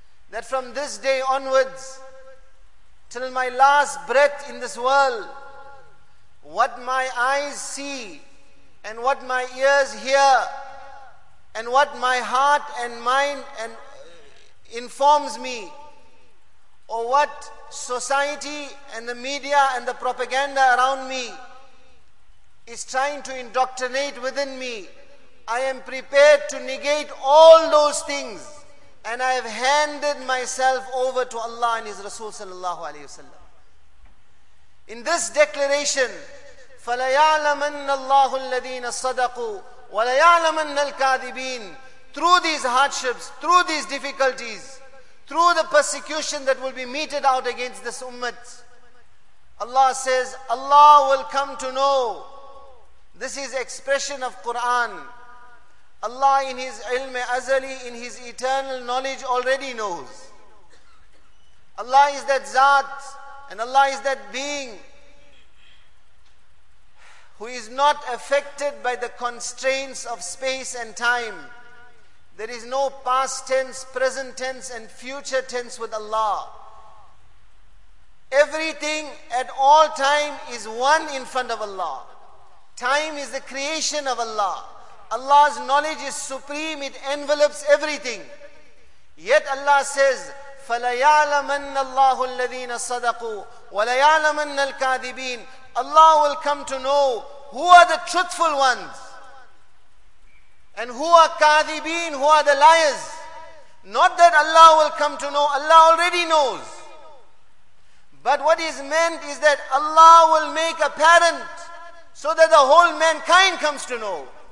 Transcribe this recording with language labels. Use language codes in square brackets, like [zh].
[en] That from this day onwards, till my last breath in this world, what my eyes see, and what my ears hear, and what my heart and mind and informs me, or what society and the media and the propaganda around me is trying to indoctrinate within me, I am prepared to negate all those things, and I have handed myself over to Allah and His Rasul sallallahu alayhi wa sallam. In this declaration, [ar] فَلَيَعْلَمَنَّ اللَّهُ الَّذِينَ صَدَقُوا وَلَيَعْلَمَنَّ الْكَاذِبِينَ. [en] Through these hardships, through these difficulties, through the persecution that will be meted out against this ummah, Allah says, Allah will come to know. This is expression of Quran. Allah in His ilm azali, in His eternal knowledge, already knows. Allah is that Zat, and Allah is that being who is not affected by the constraints of space and time. There is no past tense, present tense, and future tense with Allah. Everything at all time is one in front of Allah. Time is the creation of Allah. Allah's knowledge is supreme, it envelops everything. Yet Allah says, [ar] فَلَيَعْلَمَنَّ اللَّهُ الَّذِينَ صَدَقُوا وَلَيَعْلَمَنَّ الْكَاذِبِينَ. [en] Allah will come to know who are the truthful ones, and who are kadhibin, who are the liars. Not that Allah will come to know, Allah already knows. But what is meant is that Allah will make apparent so that the whole mankind comes to know.